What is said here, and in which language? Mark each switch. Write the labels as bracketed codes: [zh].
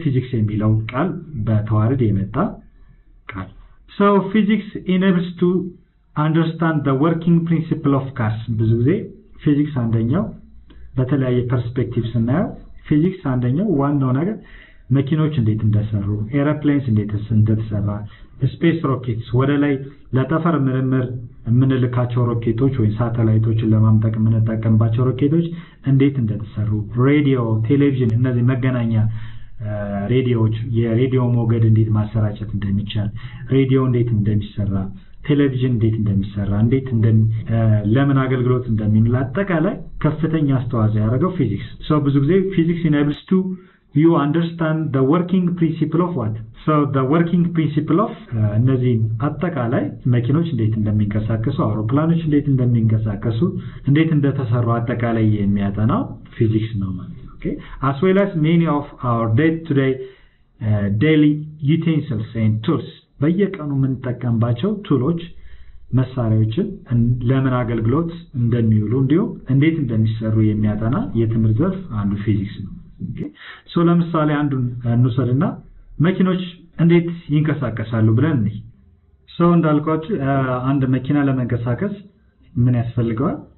[en] physics [am] የሚለው ቃል በተዋረድ የመጣ ቃል። [en] So physics enables to understand the working principle of cars. [am] ብዙ ጊዜ physics አንደኛው በተለያየ perspectives እናየው physics አንደኛው ዋናው ነገር መኪኖች እንዴት እንደሰሩ airplanes እንዴት እንደተሰራ space rockets ወደ ላይ ለጠፈር ምርምር የምንልካቸው ሮኬቶች ወይ ሳተላይቶችን ለማምጠቅ የምንጠቀምባቸው ሮኬቶች እንዴት እንደተሰሩ radio television እነዚህ መገናኛ radios የሬዲዮ ሞገድ እንዴት ማሰራጨት እንደሚቻል radio እንዴት እንደሚሰራ ቴሌቪዥን እንዴት እንደሚሰራ እንዴት ለምን አገልግሎት እንደሚውል አጠቃላይ ከፍተኛ አስተዋጽኦ ያደረገው physics. [en] So [am] ብዙ ጊዜ [en] physics enables to you understand the working principle of what? So the working principle of [am] እነዚህ አጠቃላይ መኪኖች እንዴት እንደሚንቀሳቀሱ አውሮፕላኖች እንዴት እንደሚንቀሳቀሱ እንዴት እንደተሰሩ አጠቃላይ የሚያጠናው physics ነው ማለት ነው። Okay. [en] As well as many of our day-to-day daily utensils and tools. [am] በየቀኑ የምንጠቀምባቸው ቱሎች መሳሪያዎችን ለምን አገልግሎት እንደሚውሉ እንዲሁም እንዴት እንደሚሰሩ የሚያጠና የትምህርት ዘርፍ አንዱ physics ነው። Okay. So ለምሳሌ አንዱን እንውሰድና መኪኖች እንዴት ይንቀሳቀሳሉ ብለን ነው። So እንዳልኳችሁ አንድ መኪና ለመንቀሳቀስ ምን ያስፈልጋል?